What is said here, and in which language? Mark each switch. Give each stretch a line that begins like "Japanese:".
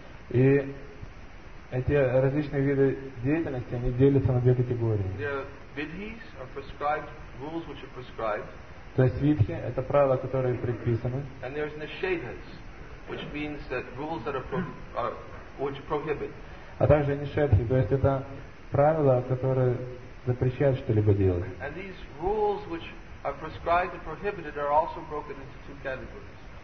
Russian: И эти различные виды деятельности, они делятся на две категории.
English: Vidhis, are prescribed, rules which are prescribed.
Russian: То есть видхи – это правила, которые предписаны.
English: And there's nishedhas, which means that rules that are, which prohibit.
Russian: А также нишедхи, то есть это правила, которые запрещают что-либо делать.
English: And these rules which are prescribed and prohibited are also broken into two categories.